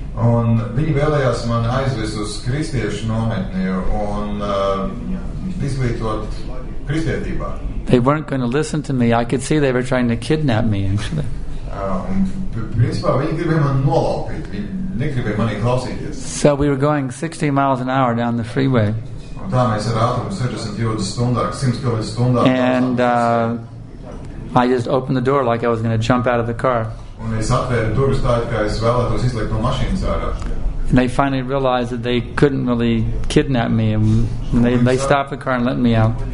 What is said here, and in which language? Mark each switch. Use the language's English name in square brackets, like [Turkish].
[Latvian] Un viņi vēlējās man aizvest uz kristiešu nometni un izglītot kristietībā. [English] They weren't going to listen to me. I could see they were trying to kidnap me, actually. [Latvian] Principā viņi gribēja mani nolaupīt. Viņi negribēja mani klausīties. [English] So we were going 60 miles an hour down the freeway. [Latvian] Un tā mēs ar ātrumu 62 stundā, 100 km stundā. [English] And I just opened the door like I was going to jump out of the car. [Latvian] Un es atvēru durvis tā, kā es vēlētos izlikt no mašīnas ārā. [English] And they finally realized that they couldn't really kidnap me. And they stopped the car and let me out.